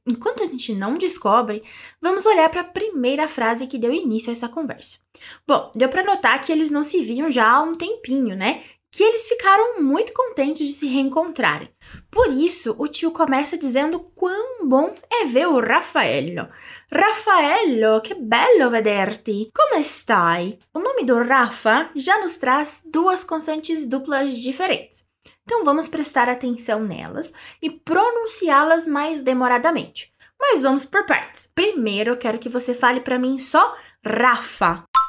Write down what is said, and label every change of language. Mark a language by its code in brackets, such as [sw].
[pt] Enquanto a gente não descobre, vamos olhar para a primeira frase que deu início a essa conversa. Bom, deu para notar que eles não se viam já há um tempinho, né? Que eles ficaram muito contentes de se reencontrarem. Por isso, o tio começa dizendo quão bom é ver o Raffaello. [it] Raffaello, che bello vederti! Come stai? [pt] O nome do Rafa já nos traz duas consoantes duplas diferentes. Então, vamos prestar atenção nelas e pronunciá-las mais demoradamente. Mas vamos por partes. Primeiro, quero que você fale para mim só Rafa.